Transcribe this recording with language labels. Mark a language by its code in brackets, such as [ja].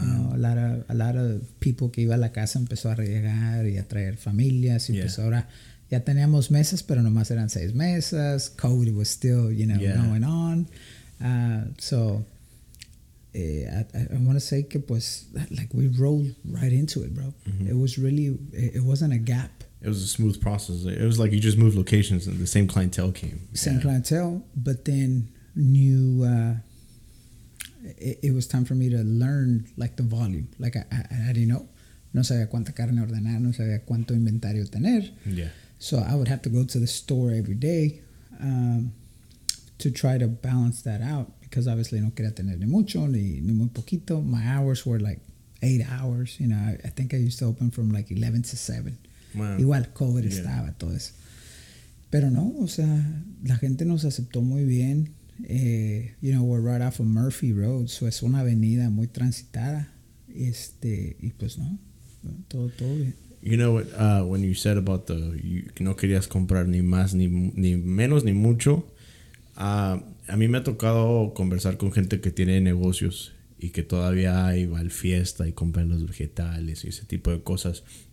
[en] You know, a lot of people [es] que iba a la casa empezó a llegar y a traer familias. Y yeah. Pues ahora ya teníamos mesas, pero nomás eran 6 mesas. [en] COVID was still, you know, yeah, going on. I want to say [es] que pues, [en] like, we rolled right into it, bro. Mm-hmm. It was really, it wasn't a gap. It was a smooth process. It was like you just moved locations and the same clientele came. Same clientele, but then new... It was time for me to learn, like, the volume. Like, I didn't know. [es] No sabía cuánta carne ordenar. No sabía cuánto inventario tener. [en] Yeah. So I would have to go to the store every day to try to balance that out. Because obviously, [es] no quería tener ni mucho, ni muy poquito. [en] My hours were, like, 8 hours. You know, I think I used to open from, like, 11 to 7. [es] Wow. Igual, COVID estaba, todo eso. Pero no, o sea, la gente nos aceptó muy bien. [en] You know, we're right off of Murphy Road, so [es] es una avenida muy transitada. Y pues no, todo bien. [en] You know what, when you said about the [es] no querías comprar ni más ni menos ni mucho, a mí me ha tocado conversar con gente que tiene negocios y que todavía va al fiesta y compra los vegetales y ese tipo de cosas.